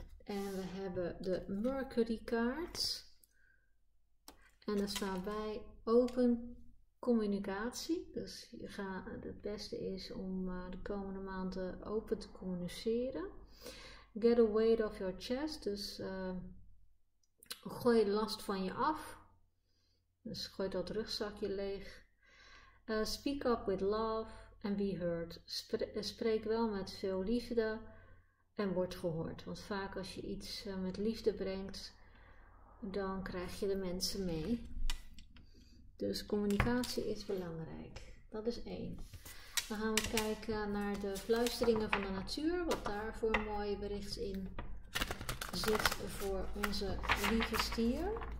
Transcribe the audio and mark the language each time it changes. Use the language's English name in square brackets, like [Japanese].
[Dutch] En we hebben de Mercury kaart. En er staat bij open communicatie, dus het beste is om de komende maanden open te communiceren. [English] Get a weight off your chest, [Dutch] dus gooi de last van je af. Dus gooi dat rugzakje leeg. [English] Speak up with love and be heard. [Dutch] Spreek wel met veel liefde en word gehoord. Want vaak als je iets met liefde brengt, dan krijg je de mensen mee. Dus communicatie is belangrijk. Dat is één. Dan gaan we kijken naar de fluisteringen van de natuur. Wat daar voor een mooi bericht in zit voor onze lieve stier.